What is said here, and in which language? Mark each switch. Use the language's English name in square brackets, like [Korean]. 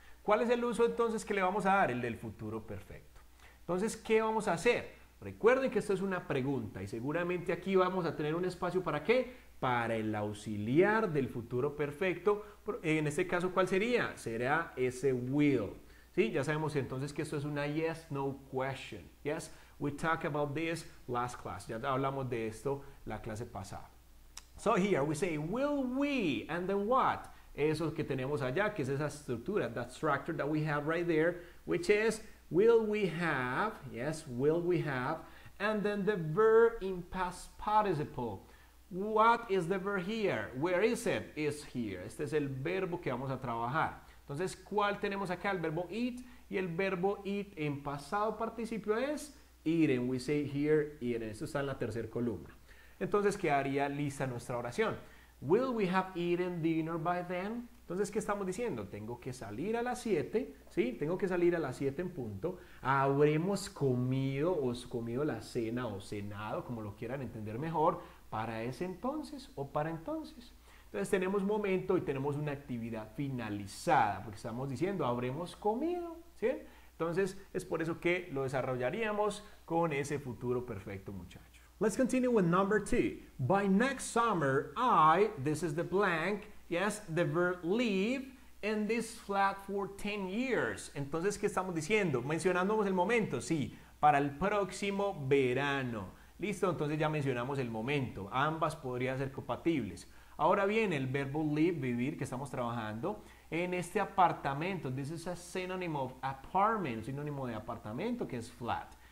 [Spanish] ¿Cuál es el uso entonces que le vamos a dar? El del futuro perfecto. Entonces, ¿qué vamos a hacer? Recuerden que esto es una pregunta y seguramente aquí vamos a tener un espacio ¿para qué? Para el auxiliar del futuro perfecto. En este caso, ¿cuál sería? Será ese will. ¿Sí? Ya sabemos entonces que esto es una yes, no question. [English] Yes, we talked about this last class. [Spanish] Ya hablamos de esto la clase pasada. [English] So here we say, will we and then what? [Spanish] Eso que tenemos allá, que es esa estructura, [English] that structure that we have right there, which is, will we have, yes, will we have, and then the verb in past participle. What is the verb here? Where is it? It's here. [Spanish] Este es el verbo que vamos a trabajar. Entonces, ¿cuál tenemos acá? El verbo eat, y el verbo eat en pasado participio es eating. [English] We say here, eating. [Spanish] Esto está en la tercera columna. Entonces, quedaría lista nuestra oración. [English] Will we have eaten dinner by then? [Spanish] Entonces, ¿qué estamos diciendo? Tengo que salir a las 7, ¿sí? Tengo que salir a las 7 en punto. Habremos comido o comido la cena o cenado, como lo quieran entender mejor, para ese entonces o para entonces. Entonces, tenemos momento y tenemos una actividad finalizada, porque estamos diciendo, habremos comido, ¿sí? Entonces, es por eso que lo desarrollaríamos con ese futuro perfecto, muchachos. [English] Let's continue with number 2. By next summer, this is the blank, yes, the verb live in this flat for 10 years. [Spanish] Entonces, ¿qué estamos diciendo? Mencionándonos el momento, sí, para el próximo verano. Listo, entonces ya mencionamos el momento. Ambas podrían ser compatibles. Ahora bien, el verbo live, vivir, que estamos trabajando en este apartamento. [English] This is a synonym of apartment, [Spanish] sinónimo de apartamento, que es flat.